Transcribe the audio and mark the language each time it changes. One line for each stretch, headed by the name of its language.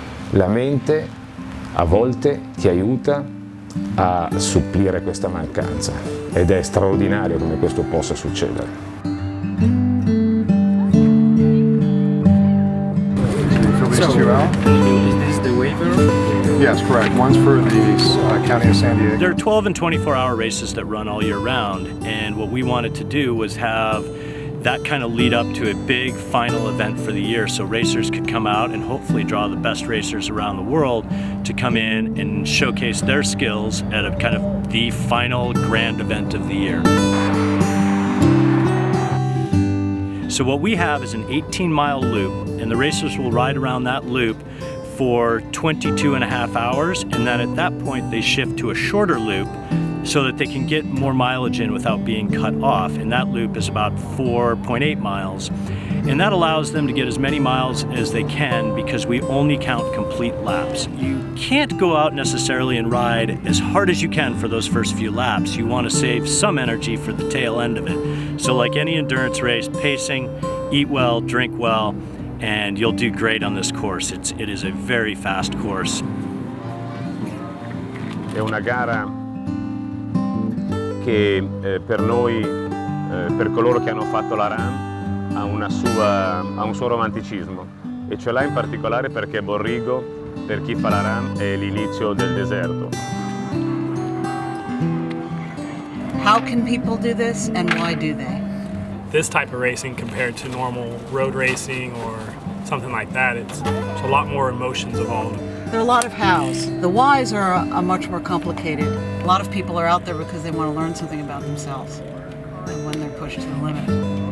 Italian: La mente a volte ti aiuta a supplire questa mancanza ed è straordinario come questo possa succedere.
English: Yes, correct. One's for the County of San Diego. There are 12 and 24-hour races that run all year round, and what we wanted to do was have that kind of lead up to a big final event for the year so racers could come out and hopefully draw the best racers around the world to come in and showcase their skills at a kind of the final grand event of the year. So what we have is an 18-mile loop, and the racers will ride around that loop for 22 and a half hours, and then at that point they shift to a shorter loop so that they can get more mileage in without being cut off, and that loop is about 4.8 miles. And that allows them to get as many miles as they can because we only count complete laps. You can't go out necessarily and ride as hard as you can for those first few laps. You want to save some energy for the tail end of it. So like any endurance race, pacing, eat well, drink well, and you'll do great on this course. It is a very fast course.
Italian: È una gara che per noi, per coloro che hanno fatto la RAM, ha un suo romanticismo. E ce l'ha in particolare perché Borrigo, per chi fa la RAM, è l'inizio del deserto.
English: How can people do this and why do they? This type of racing compared to normal road racing or something like that, it's a lot more emotions involved. There are a lot of hows. The whys are a much more complicated. A lot of people are out there because they want to learn something about themselves and when they're pushed to the limit.